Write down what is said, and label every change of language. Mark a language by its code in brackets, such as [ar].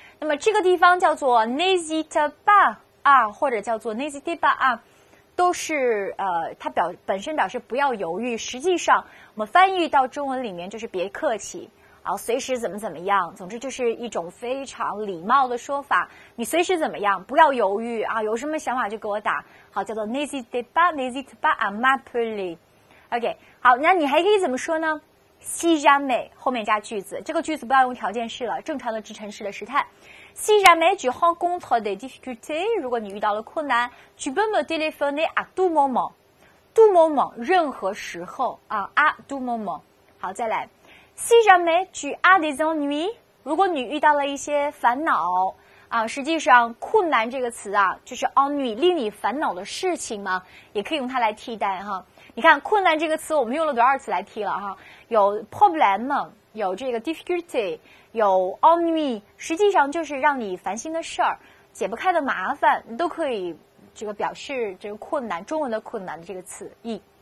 [zh] 那么这个地方叫做 [fr] N'hésite pas à， [zh] 或者叫做 N'hésite pas à， 都是它本身表示不要犹豫，实际上我们翻译到中文里面就是别客气啊，随时怎么怎么样，总之就是一种非常礼貌的说法。你随时怎么样，不要犹豫啊，有什么想法就给我打。好，叫做 [fr] N'hésite pas à m'appeler。 [zh] OK， 好，那你还可以怎么说呢？ si jamais 后面加句子，这个句子不要用条件式了，正常的直陈式的时态。 [fr] Si jamais tu rencontres des difficultés, [zh] 如果你遇到了困难 [fr] tu peux me téléphoner à tout moment. Tout moment, [zh] 任何时候啊 [fr] à tout moment. [zh] 好，再来。 [fr] Si jamais tu as des ennuis, [zh] 如果你遇到了一些烦恼啊，实际上困难这个词啊，就是 ennui 令你烦恼的事情嘛，也可以用它来替代哈。你看困难这个词我们用了多少次来替了哈，有 problem, 有这个 difficulty, 有 ennui, 实际上就是让你烦心的事儿，解不开的麻烦，你都可以这个表示这个困难，中文的困难的这个词义。